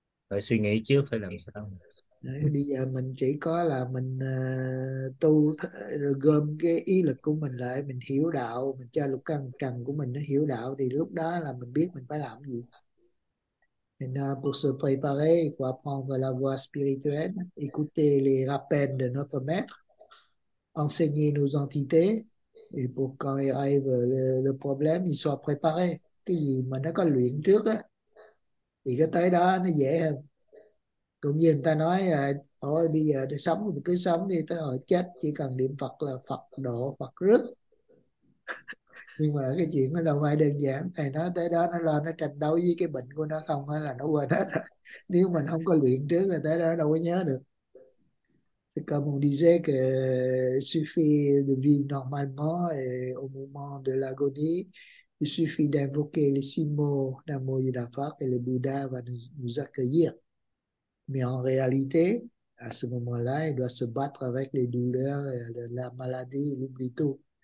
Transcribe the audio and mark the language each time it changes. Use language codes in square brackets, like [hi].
[vi] Phải suy nghĩ trước phải làm sao. Đấy, bây giờ mình chỉ có là mình tu rồi gom cái ý lực của mình lại, mình hiểu đạo, mình cho lục căn trần của mình nó hiểu đạo, thì lúc đó là mình biết mình phải làm gì. [fr] Mình pour se préparer pour apprendre la voie spirituelle, écouter les rappels de notre maître, enseigner nos entités, et pour quand il arrive le problème, il soit préparé. [vi] Cái gì mà nó có luyện trước á, thì cái tới đó nó dễ hơn. Cũng như người ta nói thôi bây giờ để sống thì cứ sống đi, tới hồi chết chỉ cần niệm Phật là Phật độ Phật rước. Nhưng mà cái chuyện nó đâu phải đơn giản, thầy nói tới đó nó lo nó tranh đấu với cái bệnh của nó không hay là nó quên hết rồi. Nếu mình không có luyện trước thì tới đó đâu có nhớ được. [fr] C'est comme on disait que suffit de vivre normalement et au moment de l'agonie, il suffit d'invoquer les six mots Namo Amitabha et le Bouddha va nous accueillir. Mais en réalité, à ce moment-là, il doit se battre avec les douleurs, la maladie, l'oubli tout.